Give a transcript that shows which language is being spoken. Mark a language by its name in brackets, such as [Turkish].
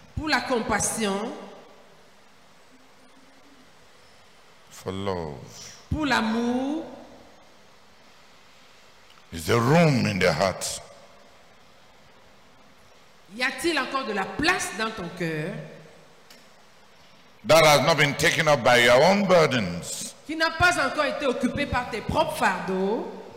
[French] Pour la compassion. [English] For love. [French] Pour l'amour. [English] Is there room in the heart? [French] Y a-t-il encore de la place dans ton cœur? [English] That has not been taken up by your own burdens. [French] Qui n'a pas encore été occupé par tes propres fardeaux.